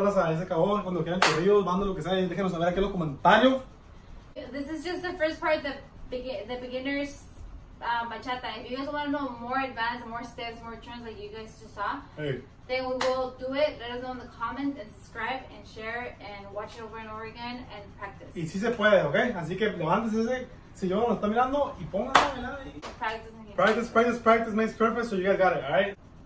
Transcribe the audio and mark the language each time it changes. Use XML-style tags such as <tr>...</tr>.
<es>Ese cabo, cuando quieran corridos, manden lo que sea, déjenos saber aquí en los comentarios.</es> <en>This is just the first part, the beginner's bachata. If you guys want to know more advanced, more steps, more turns like you guys just saw, hey. Then we will do it. Let us know in the comments and subscribe and share and watch it over and over again and practice.</en> <es>Y si se puede, ok? Así que levántese ese sillón donde está mirando y póngase a mirar ahí.</es> <en>Practice, practice, practice makes perfect, so you guys got it, alright?</en>